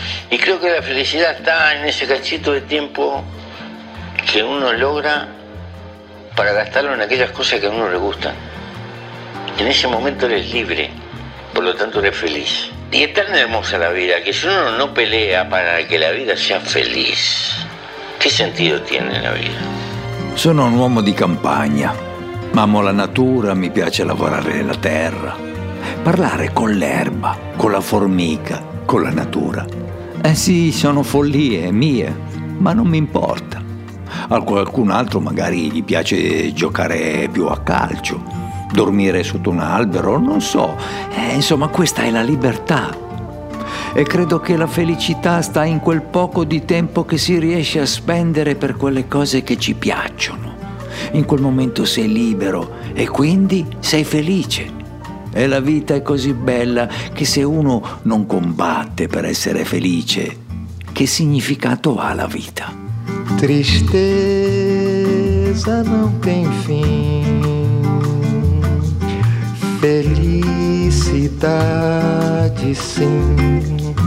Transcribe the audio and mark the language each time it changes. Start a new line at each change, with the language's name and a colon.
Spanish: Y creo que la felicidad está en ese cachito de tiempo que uno logra para gastarlo en aquellas cosas que a uno le gustan. En ese momento eres libre, por lo tanto eres feliz. Y es tan hermosa la vida que si uno no pelea para que la vida sea feliz, ¿qué sentido tiene la vida?
Italian: Sono un uomo di campagna. Amo la natura, mi piace lavorare nella terra, parlare con l'erba, con la formica, con la natura. Eh sì, sono follie mie, ma non mi importa. A qualcun altro magari gli piace giocare più a calcio, dormire sotto un albero, non so. Insomma, questa è la libertà. E credo che la felicità sta in quel poco di tempo che si riesce a spendere per quelle cose che ci piacciono. In quel momento sei libero e quindi sei felice. E la vita è così bella che se uno non combatte per essere felice, che significato ha la vita?
Portuguese: Tristezza non tem fim, felicidade sim.